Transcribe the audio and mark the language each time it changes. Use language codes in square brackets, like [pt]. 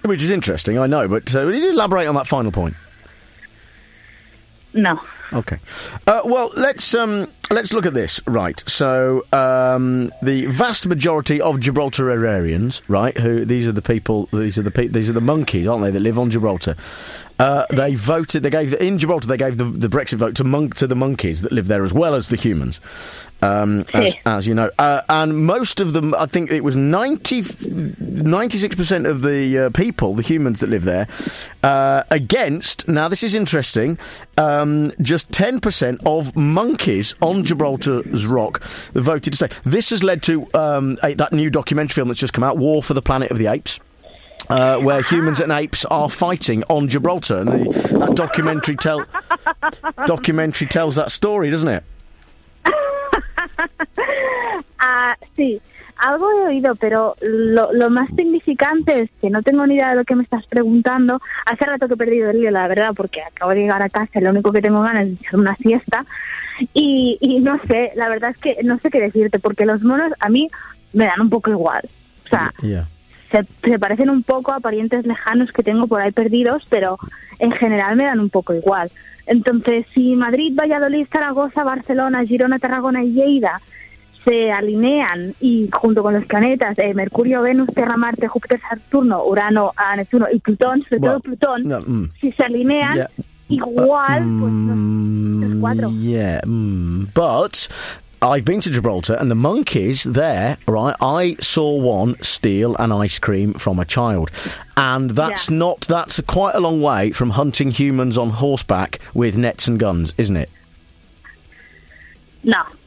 [en] Which is interesting, I know, but will you elaborate on that final point? No. Okay. Let's look at this, right? So the vast majority of Gibraltararians, right? These are the monkeys, aren't they? That live on Gibraltar. They voted. They gave the Brexit vote to the monkeys that live there as well as the humans. As you know, and most of them, I think it was 96% of the people, the humans that live there, against. Now this is interesting. Just 10% of monkeys on Gibraltar's rock voted to stay. This has led to that new documentary film that's just come out, War for the Planet of the Apes, where humans and apes are fighting on Gibraltar, and that documentary tells that story, doesn't it? [es] Sí, algo he oído, pero lo más significante es que no tengo ni idea de lo que me estás preguntando. Hace rato que he perdido el lío, la verdad, porque acabo de llegar a casa y lo único que tengo ganas es hacer una siesta. Y no sé, la verdad es que no sé qué decirte, porque los monos a mí me dan un poco igual. O sea, se parecen un poco a parientes lejanos que tengo por ahí perdidos, pero en general me dan un poco igual. Entonces, si Madrid, Valladolid, Zaragoza, Barcelona, Girona, Tarragona y Lleida se alinean y junto con los planetas Mercurio, Venus, Tierra, Marte, Júpiter, Saturno, Urano, Neptuno y Plutón, Plutón, si se alinean, igual, pues los cuatro. [en] But I've been to Gibraltar, and the monkeys there, right, I saw one steal an ice cream from a child. And that's not, that's quite a long way from hunting humans on horseback with nets and guns, isn't it? No.